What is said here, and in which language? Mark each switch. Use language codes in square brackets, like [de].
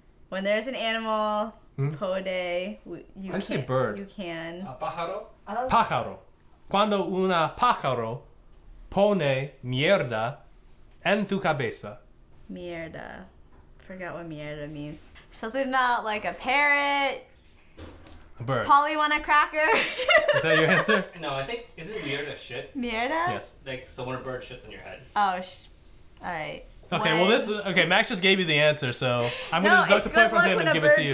[en] When there's an animal, pone. You how do you say bird? You can. [es] Pájaro? Pájaro. Cuando una pájaro pone mierda en tu cabeza. [en] Mierda. Forgot what mierda means. Something about like a parrot. A bird. Polly want a cracker? Is that your answer? No, I think, isn't mierda shit? [es] Mierda? [en] Yes. Like, so when a bird shits in your head. Alright. Okay, well this, okay, Max just gave you the answer, so I'm gonna deduct the point from him and give it to you.